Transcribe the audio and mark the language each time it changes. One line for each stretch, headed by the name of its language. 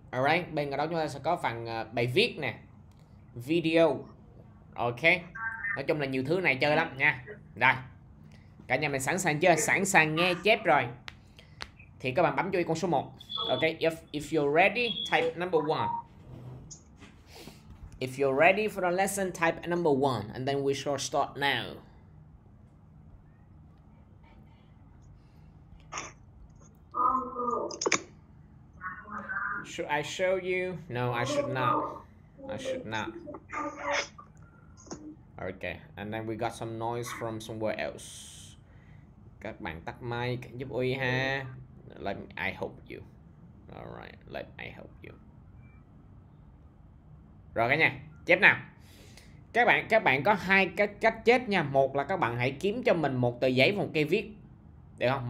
Vietnamese: Alright, bên đó chúng ta sẽ có phần bài viết nè, video. Ok. Nói chung là nhiều thứ này chơi lắm nha. Rồi. Cả nhà mình sẵn sàng chưa? Sẵn sàng nghe chép rồi. Thì các bạn bấm chú ý con số 1.
English: Ok, if you're ready, type number 1. If you're ready for the lesson, type number 1 and then we shall start now. Should I show you? No, I should not. I should not. Okay, and then we got some noise from somewhere else.
Vietnamese: Các bạn tắt mic giúp Uy ha.
English: I help you. All right, I help you.
Vietnamese: Rồi cả nhà, chép nào. Các bạn có hai cái cách chép nha. Một là các bạn hãy kiếm cho mình một tờ giấy và một cây viết. Được không?